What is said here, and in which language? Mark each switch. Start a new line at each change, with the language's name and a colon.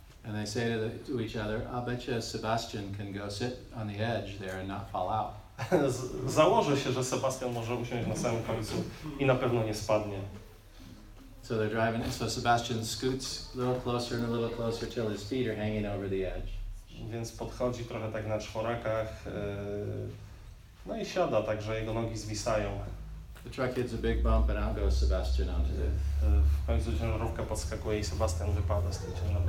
English: And they say to each other, I bet you Sebastian can go sit on the edge there and not fall out.
Polish: Założę się, że Sebastian może usiąść na samym końcu i na pewno nie spadnie.
English: So they're driving, so Sebastian scoots a little closer and a little closer till his feet are hanging over the edge.
Polish: Więc podchodzi trochę tak na czworakach, no i siada tak, że jego nogi zwisają.
English: The truck hits a big bump and out goes Sebastian onto the...
Polish: W końcu ciężarówka podskakuje i Sebastian wypada z tej ciężarówki.